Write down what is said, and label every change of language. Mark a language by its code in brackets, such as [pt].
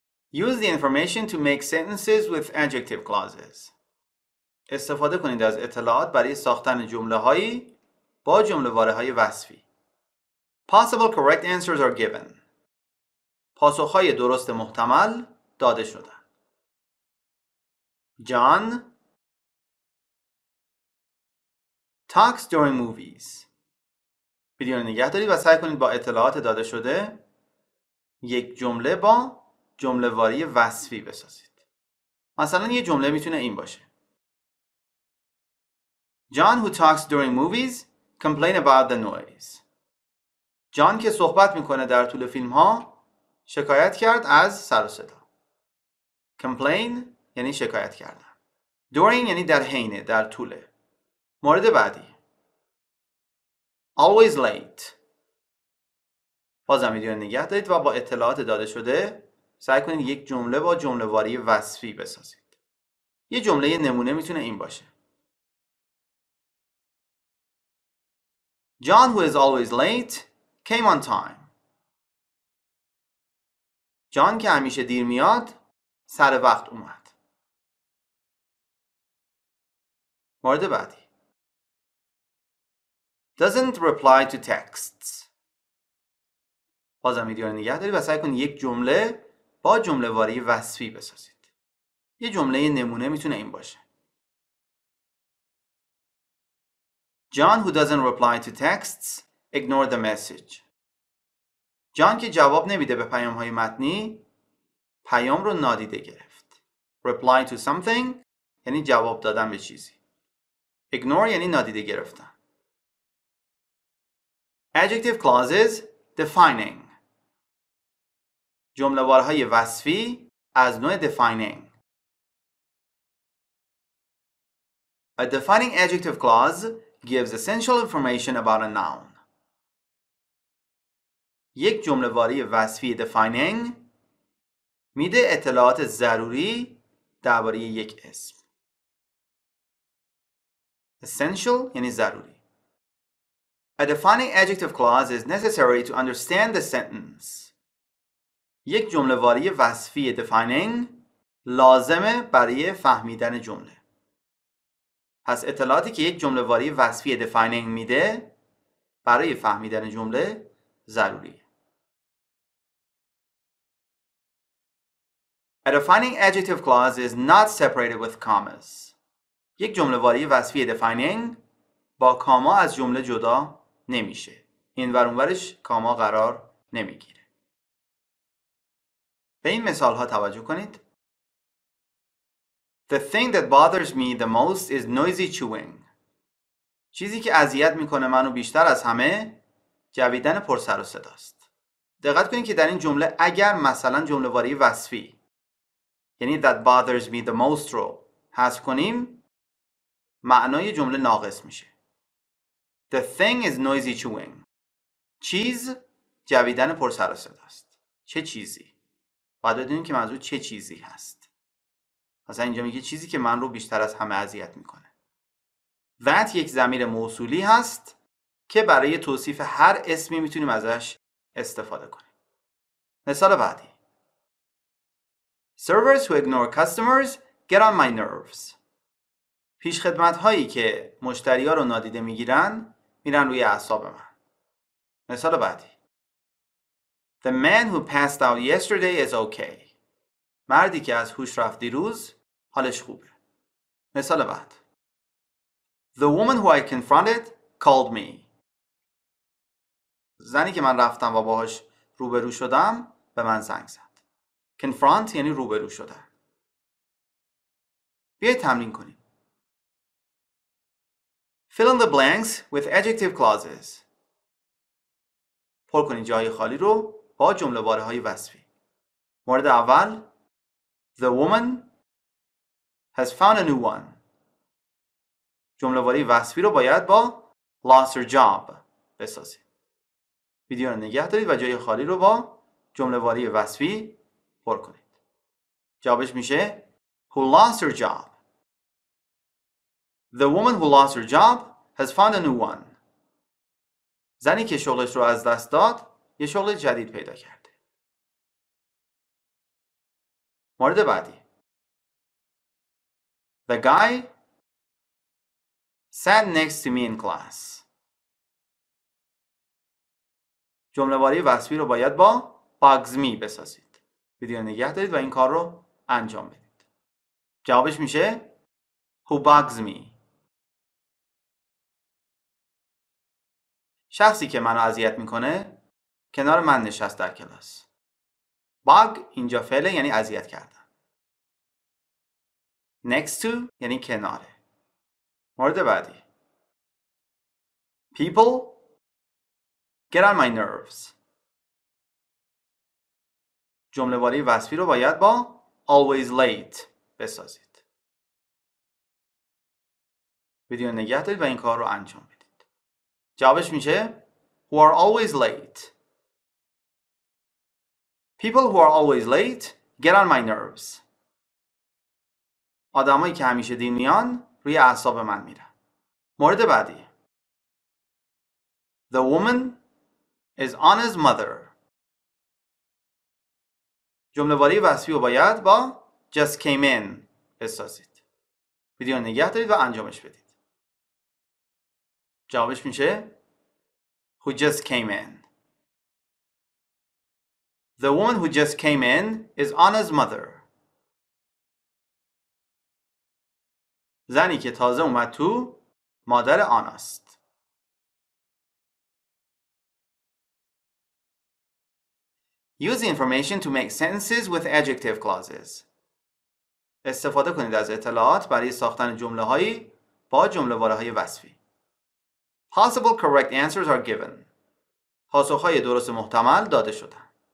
[en] Use the information to make sentences with adjective clauses. [fa] استفاده کنید از اطلاعات برای ساختن جمله‌هایی با جمله‌واره‌های وصفی. [en] Possible correct answers are given. [fa] پاسخ‌های درست محتمل داده شده. [en] John talks during movies. [fa] ویدیو رو نگه دارید و سعی کنید با اطلاعات داده شده یک جمله با جمله واری وصفی بسازید. مثلا یه جمله میتونه این باشه. [en] John who talks during movies complain about the noise. [fa] جان که صحبت میکنه در طول فیلم ها شکایت کرد از سر و صدا. Complain یعنی شکایت کردن. During یعنی در حینه، در طوله. مورد بعدی. [en] Always late. [fa] بازم ویدیو نگه دارید و با اطلاعات داده شده سعی کنید یک جمله با جمله واری وصفی بسازید. یه جمله نمونه میتونه این باشه. [en] John who is always late came on time. [fa] جان که همیشه دیر میاد سر وقت اومد. مورد بعدی. [en] Doesn't reply to texts. [fa] بازم ویدیو رو نگه دارید و سعی کنید یک جمله با جمله واری وصفی بسازید. یه جمله نمونه میتونه این باشه. [en] John who doesn't reply to texts ignored the message. [fa] جان که جواب نمیده به پیام های متنی پیام رو نادیده گرفت. [en] Reply to something [fa] یعنی جواب دادن به چیزی. Ignore یعنی نادیده گرفتن. [en] Adjective clauses defining. [fa] جمله وارهای وصفی از نوع defining. [en] A defining adjective clause gives essential information about a noun. [fa] یک جمله واری وصفی defining میده اطلاعات ضروری درباره یک اسم. Essential یعنی ضروری. [en] A defining adjective clause is necessary to understand the sentence. [fa] یک جمله واری وصفی defining لازمه برای فهمیدن جمله. پس اطلاعاتی که یک جمله واری وصفی defining میده برای فهمیدن جمله ضروری. A defining adjective clause is not separated with commas. یک جمله واری وصفی defining با کاما از جمله جدا نمیشه. این ور اونورش کاما قرار نمیگیره. به این مثال ها توجه کنید. [en] The thing that bothers me the most is noisy chewing. [fa] چیزی که اذیت میکنه منو بیشتر از همه جویدن پر سر و صدا است. دقت کنید که در این جمله اگر مثلا جمله واری وصفی یعنی [en] that bothers me the most [fa] رو حذف کنیم معنای جمله ناقص میشه. [en] The thing is noisy chewing. [fa] چیز جویدن پر سر و صدا است. چه چیزی؟ باید بدونیم که منظور چه چیزی هست. مثلا اینجا میگه چیزی که من رو بیشتر از همه اذیت میکنه. That یک ضمیر موصولی هست که برای توصیف هر اسمی میتونیم ازش استفاده کنیم. مثال بعدی. [en] Servers who ignore customers get on my nerves. [fa] پیش خدمت هایی که مشتری ها رو نادیده میگیرن میرن روی اعصاب من. مثال بعدی. [en] The man who passed out yesterday is okay. [fa] مردی که از هوش رفت دیروز حالش خوبه. مثال بعد. [en] The woman who I confronted called me. [fa] زنی که من رفتم و باهاش روبرو شدم به من زنگ زد. Confront یعنی روبرو شدن. بیایید تمرین کنیم. Fill in the blanks with adjective clauses. پر کنید جای خالی رو با جمله واره های وصفی. مورد اول. [en] The woman has found a new one. [fa] جمله واره وصفی رو باید با [en] lost her job [fa] بسازید. ویدیو رو نگه دارید و جای خالی رو با جمله واره وصفی پر کنید. جوابش میشه [en] who lost her job. The woman who lost her job has found a new one. [fa] زنی که شغلش رو از دست داد یه شغل جدید پیدا کرده. مورد بعدی. [en] The guy sat next to me in class. [fa] جمله واری وصفی رو باید با [en] bugs me [fa] بسازید. ویدیو نگه دارید و این کار رو انجام بدید. جوابش میشه [en] who bugs me. [fa] شخصی که منو اذیت میکنه کنار من نشست در کلاس. Bug اینجا فعله یعنی اذیت کردن. [en] Next to [fa] یعنی کناره. مورد بعدی. [en] People get on my nerves. [fa] جمله واری وصفی رو باید با [en] always late [fa] بسازید. ویدیو نگه دارید و این کار رو انجام بدید. جوابش میشه [en] who are always late. People who are always late get on my nerves. [fa] آدمایی که همیشه دیر میان روی اعصاب من میرن. مورد بعدی. [en] The woman is Anna's mother. [fa] جمله واری وصفی رو باید با [en] just came in [fa] بسازید. ویدیو نگه دارید و انجامش بدید. جوابش میشه [en] who just came in. The woman who just came in is Anna's mother. [fa] زنی که تازه اومد تو مادر آناست. [en] Use the information to make sentences with adjective clauses. [fa] استفاده کنید از اطلاعات برای ساختن جمله هایی با جمله واره های وصفی. [en] Possible correct answers are given. [fa] پاسخهای درست محتمل داده شدن.